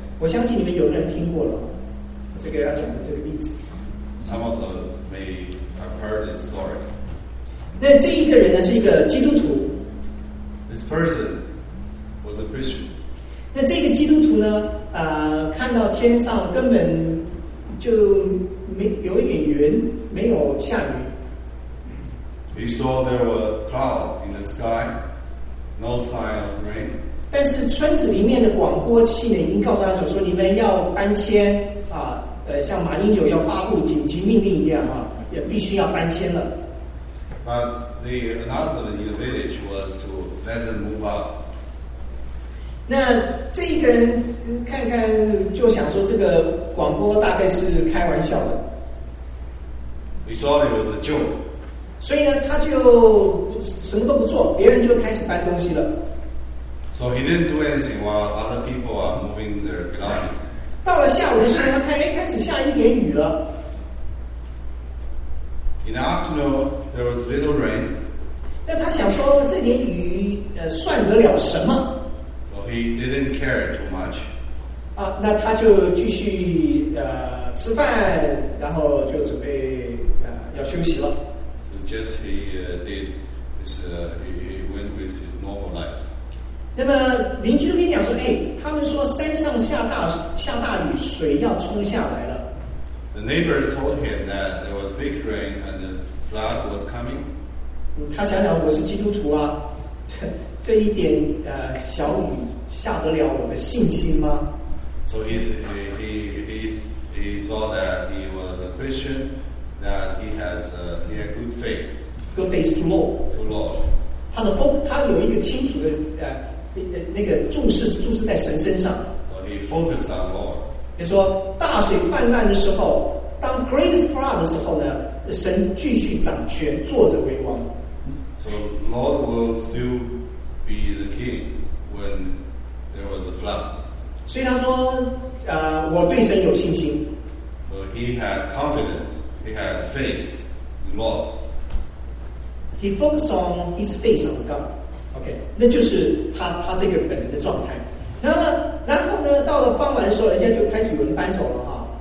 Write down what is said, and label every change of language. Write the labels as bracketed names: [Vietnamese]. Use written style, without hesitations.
[Chinese] 我相信你们有人听过了这个要讲的这个例子。 [English] Some of them may have heard this story. [Chinese] 那这一个人呢是一个基督徒。 [English] This person was a Christian. [Chinese] 那这个基督徒呢看到天上根本就没有一点云，没有下雨。 [English] He saw there were cloud in the sky, no sign of rain. [Chinese] 但是村子里面的广播器呢，已经告诉他说，说你们要搬迁啊，像马英九要发布紧急命令一样啊，也必须要搬迁了。 [English] But the announcement in the village was to let them move out. [Chinese] 那这一个人看看就想说，这个广播大概是开玩笑的。 [English] He thought it was a joke. [Chinese] 所以呢，他就什么都不做，别人就开始搬东西了。 [English] So he didn't do anything while other people are moving their car. [Chinese] 到了下午的时候，他看哎，开始下一点雨了。 [English] In the afternoon, there was little rain. [Chinese] 那他想说这点雨算得了什么 [English] ？So he didn't care too much. [Chinese] 啊，那他就继续吃饭，然后就准备要休息了。 [English] Just he did his, he went with his normal life. [Chinese] 那么邻居跟你讲说，哎，他们说山上下大雨，水要冲下来了。 [English] The neighbors told him that there was big rain and the flood was coming. [Chinese] 他想想，我是基督徒啊，这一点小雨吓得了我的信心吗 [English] ？So he saw that he was a Christian. That he has a good faith. Good faith to Lord. To Lord. [Chinese] 他的风，他有一个清楚的那个注视在神身上。 [English] Well, he focused on Lord. [Chinese] 也说大水泛滥的时候，当 [English] great flood [Chinese] 的时候呢，神继续掌权，坐着为王。 [English] So Lord will still be the king when there was a flood. [Chinese] 所以他说，我对神有信心。 [English] Well, he had confidence. He had faith in Lord. He focused on his faith on God. Okay, [Chinese] 那就是他这个本人的状态。然后呢，到了傍晚的时候，人家就开始有人搬走了哈。